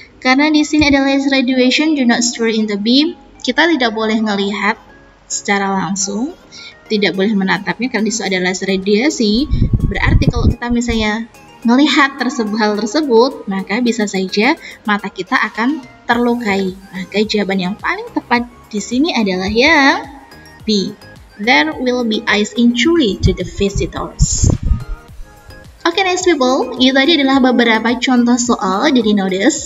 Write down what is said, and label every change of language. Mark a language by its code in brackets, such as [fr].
[id] Karena di sini ada laser radiation, [en] do not stare in the beam. [id] Kita tidak boleh melihat secara langsung, tidak boleh menatapnya karena disitu ada laser radiasi. Berarti kalau kita misalnya melihat hal tersebut, maka bisa saja mata kita akan terlukai. Maka jawaban yang paling tepat di sini adalah yang B. [en] There will be eye injury to the visitors. Okay, nice people. [id] Itu tadi adalah beberapa contoh soal dari nodes.